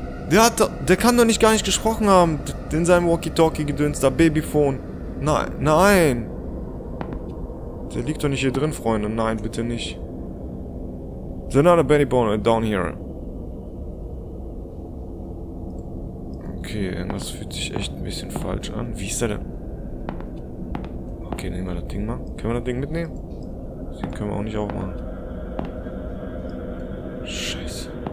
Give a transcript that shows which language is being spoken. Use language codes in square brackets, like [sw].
[de] Der kann doch nicht gar nicht gesprochen haben. In seinem Walkie-Talkie-Gedöns, da Babyphone. Nein, nein! Der liegt doch nicht hier drin, Freunde. Nein, bitte nicht. [en] There's another Benny Bone down here. [de] Okay, irgendwas fühlt sich echt ein bisschen falsch an. Wie ist der denn? Okay, nehmen wir das Ding mal. Können wir das Ding mitnehmen? Das Ding können wir auch nicht aufmachen. Scheiße.